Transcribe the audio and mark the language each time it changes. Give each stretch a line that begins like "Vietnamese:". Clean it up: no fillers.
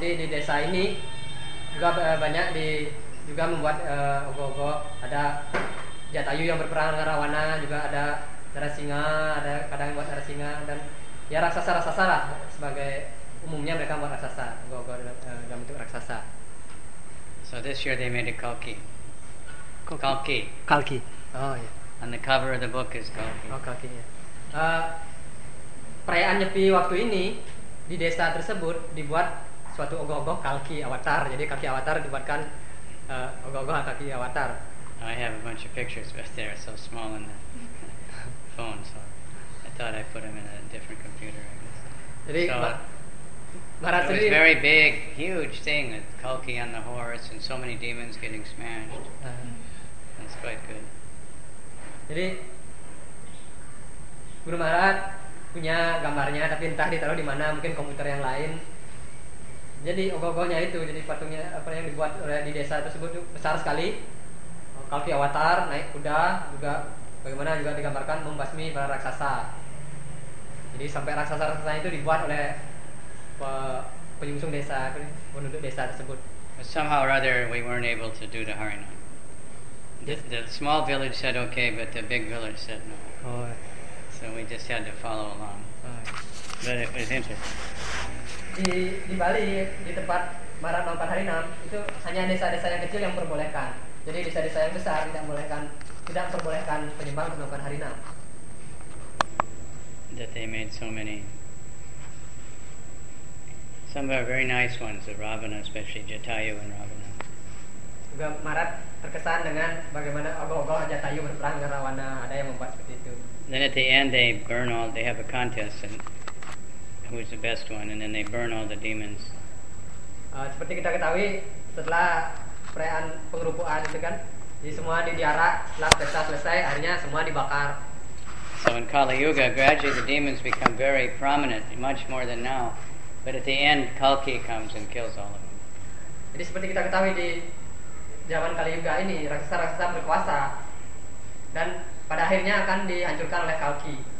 Indonesian: Jadi di desa ini juga banyak di juga membuat ogoh-ogoh. Ada Jatayu yang berperang dengan Rawana, juga ada Narasingha, ada kadang buat Narasingha dan ya raksasa-raksasa lah sebagai umumnya mereka buat raksasa, ogoh-ogoh dalam bentuk raksasa.
English: So this year they made a Kalki. Kalki. Kalki. Oh yeah. And the cover of the book is Kalki.
Indonesian: Oh, Kalki, ya. Perayaan Nyepi waktu ini di desa tersebut dibuat suatu ogoh-ogoh Kalki avatar. Jadi Kalki avatar dibuatkan ogoh-ogoh Kalki avatar.
English: I have a bunch of pictures, but they're so small in the phone, so I thought I put them in a different computer, I guess.
Indonesian: Jadi,
English: so, Bharat it was
Indonesian: sendiri,
English: very big, huge thing, with Kalki on the horse and so many demons getting smashed. That's quite good.
Indonesian: Jadi Guru Maharaj punya gambarnya, tapi entah ditaruh di mana, mungkin komputer yang lain. Jadi ogoh-ogohnya itu, jadi patungnya apa yang dibuat oleh di desa tersebut besar sekali. Kalki avatar naik kuda juga, bagaimana juga digambarkan membasmi para raksasa. Jadi sampai raksasa-raksasa itu dibuat oleh penyusung desa, penduduk desa tersebut.
English: Somehow or other, we weren't able to do the Harinam. The small village said okay, but the big village said no. Oh. So we just had to follow along. Oh. But it was interesting.
Indonesian: Di Bali, di tempat Maharaj melakukan Harinam, itu hanya desa-desa yang kecil yang diperbolehkan. Jadi desa-desa yang besar tidak memperbolehkan penyembah untuk melakukan Harinam.
English: That they made so many. Some are very nice ones, the Ravana, especially Jatayu and Ravana.
Indonesian: Juga Maharaj terkesan dengan bagaimana ogoh-ogoh Jatayu berperang dengan Ravana, ada yang membuat seperti itu.
English: Then at the end they burn all, they have a contest and who is the best one, and then they burn all the demons.
Indonesian: Seperti kita ketahui, setelah perayaan pengerupuan itu kan, jadi semua diarak, setelah pesta selesai, akhirnya semua dibakar.
English: So in Kali Yuga, gradually the demons become very prominent, much more than now. But at the end, Kalki comes and kills all of them.
Indonesian: Jadi seperti kita ketahui di zaman Kali Yuga ini, raksasa-raksasa berkuasa dan pada akhirnya akan dihancurkan oleh Kalki.